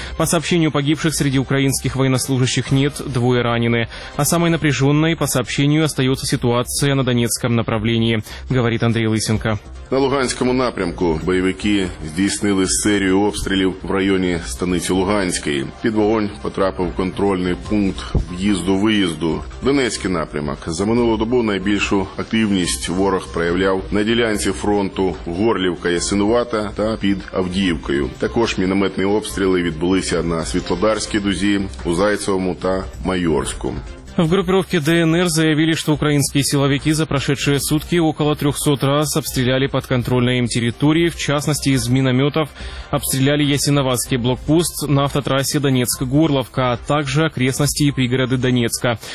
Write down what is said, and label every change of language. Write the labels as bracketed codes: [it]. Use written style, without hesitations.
[ru] По сообщению погибших среди украинских военнослужащих нет, двое ранены. А самой напряженной, по сообщению, остается ситуация на Донецком направлении, говорит Андрей Лысенко. На Луганском направлении боевики [uk] здійснили [ru] серию обстрелов в районе станицы Луганск. [uk] Під вогонь потрапив контрольний пункт в'їзду-виїзду. Донецький напрямок. За минулу добу найбільшу активність ворог проявляв на ділянці фронту Горлівка-Ясинувата та під Авдіївкою. Також мінометні обстріли відбулися на Світлодарській дузі, у Зайцевому та Майорську. [ru] В группировке ДНР заявили, что украинские силовики за прошедшие сутки около 300 раз обстреляли подконтрольные им территории, в частности из минометов обстреляли Ясиноватский блокпост на автотрассе Донецк-Горловка, а также окрестности и пригороды Донецка.